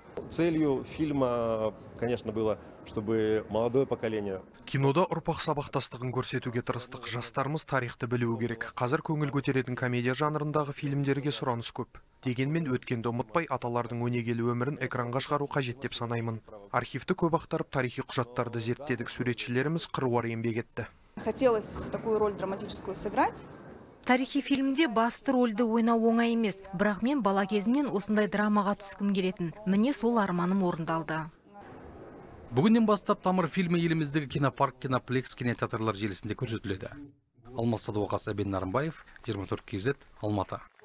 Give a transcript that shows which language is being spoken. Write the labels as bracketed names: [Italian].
[Russian] Целью фильма, конечно, было, чтобы молодое поколение... [Kazakh] Кинода ұрпақ сабақтастығын көрсетуге тырыстық. Жастарымыз тарихты білуі керек. Қазір көңіл көтеретін комедия жанрындағы фильмдерге сұраныс көп. Дегенмен өткенді ұмытпай, аталардың өнегелі өмірін экранға шығару қажет деп санаймын. Архивті көп ақтарып, тарихи құжаттарды зерттедік. Суретшілеріміз қыруар еңбек етті. [Russian] Хотелось такую роль драматическую сыграть. [Kazakh] Тарихи фильмде басты рольді ойнау оңай емес, бірақ мен бала кезімнен осындай драмаға түскім келетін. Міне сол арманым орындалды. Бүгіннен бастап «Тамыр» фильмі еліміздегі кинопарк «Кинаплекс» кинотеатрлар желісінде көрсетіледі. Алмас Садуақас, Әбен Нарымбаев, 24 кезет, Алматы.